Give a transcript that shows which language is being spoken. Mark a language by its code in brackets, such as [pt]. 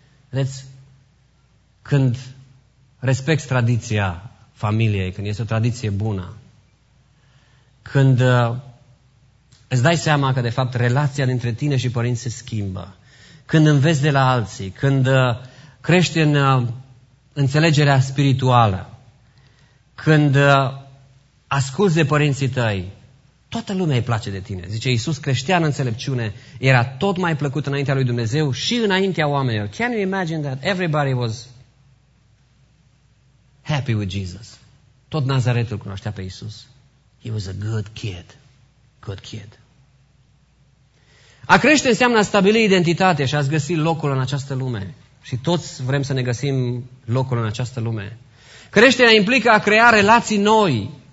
[ro] Vedeți, când respecti tradiția familiei, când este o tradiție bună, când îți dai seama că, de fapt, relația dintre tine și părinți se schimbă, când înveți de la alții, când crești în înțelegerea spirituală, când asculți de părinții tăi, toată lumea îi place de tine. Zice, Iisus creștea în înțelepciune, era tot mai plăcut înaintea lui Dumnezeu și înaintea oamenilor. [en] Can you imagine that everybody was happy with Jesus? [ro] Tot Nazaretul cunoștea pe Iisus. [en] He was a good kid. Good kid. [ro] A crește înseamnă a stabili identitate și a-ți găsi locul în această lume. Și toți vrem să ne găsim locul în această lume. Creșterea implică a crea relații noi.